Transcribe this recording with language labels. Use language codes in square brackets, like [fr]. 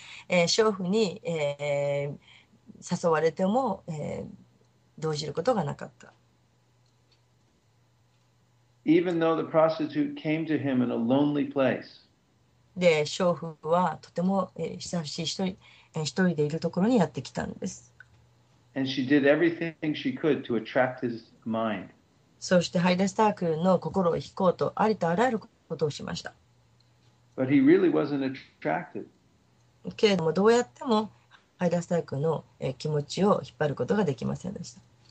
[ja] 娼婦に、誘われても、動じることがなかった。 [en] Even though the prostitute came to him in a lonely place. [ja] で、娼婦はとても久しい一人でいるところにやってきたんです。 [en] And she did everything she could to attract his mind. [ja] そして、ハイデスタークの心を引こうと、ありとあらゆることをしました。 [en] But he really wasn't attracted. [ja] けれどもどうやってもハイダースタイクの気持ちを引っ張ることができませんでした。